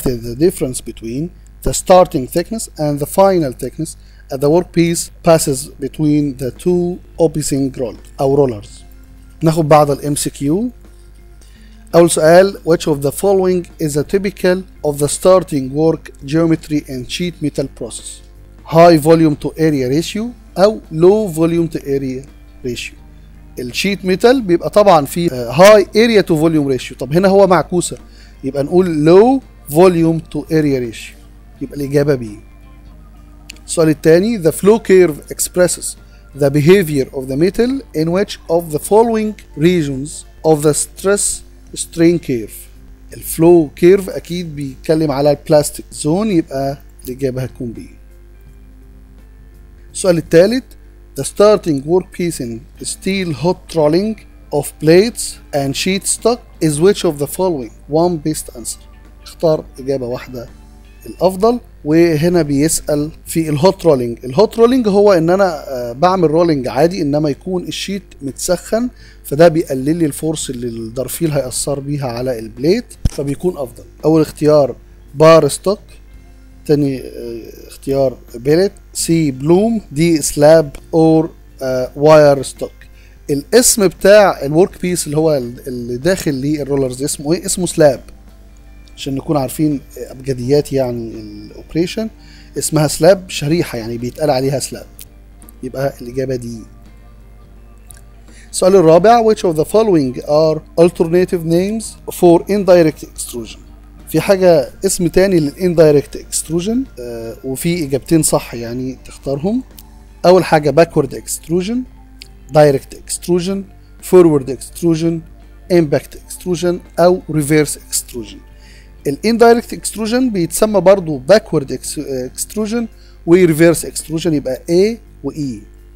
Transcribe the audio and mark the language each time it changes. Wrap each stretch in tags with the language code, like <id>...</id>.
<en>Draft is the difference between the starting thickness and the final thickness as the workpiece passes between the two opposing rollers أو rollers.</en> <ar>ناخد بعض الـ MCQ. أول سؤال:</ar> <en>Which of the following is a typical of the starting work geometry and sheet metal process? High volume to area ratio أو low volume to area ratio.</en> <ar>الشيت ميتال بيبقى طبعا فيه هاي اريا تو فوليوم ريشيو. طب هنا هو معكوسه، يبقى نقول لو فوليوم تو اريا ريشيو، يبقى الاجابه بي. السؤال الثاني:</ar> <en>The flow curve expresses the behavior of the metal in which of the following regions of the stress strain curve.</en> <ar>الفلو كيرف اكيد بيتكلم على البلاستيك زون، يبقى الاجابه هتكون بي. السؤال الثالث:</ar> <en>The starting work piece in steel hot rolling of plates and sheet stock is which of the following one best answer.</en> <ar>اختار اجابة واحدة الافضل. وهنا بيسأل في الهوت رولينج. الهوت رولينج هو ان انا بعمل رولينج عادي، انما يكون الشيت متسخن، فده بيقلل لي الفورس اللي الدرفيل هيأثر بيها على البليت، فبيكون افضل. اول اختيار بار ستوك، تاني اختيار بيلت، سي بلوم، دي سلاب اور واير ستوك. الاسم بتاع الورك بيس اللي هو اللي داخل ليه الرولرز اسمه ايه؟ اسمه سلاب، عشان نكون عارفين ابجديات يعني الاوبريشن، اسمها سلاب، شريحه يعني بيتقال عليها سلاب، يبقى الاجابه دي. السؤال الرابع:</ar> <en>Which of the following are alternative names for indirect extrusion؟</en> <ar>في حاجة اسم تاني للإندايركت إكستروجن وفي إجابتين صح يعني تختارهم. أول حاجة باكورد إكستروجن، دايركت إكستروجن، فورورد إكستروجن، إمباكت إكستروجن أو ريفيرس إكستروجن. الإندايركت إكستروجن بيتسمى برضو باكورد إكستروجن وريفيرس إكستروجن، يبقى A و E.</ar>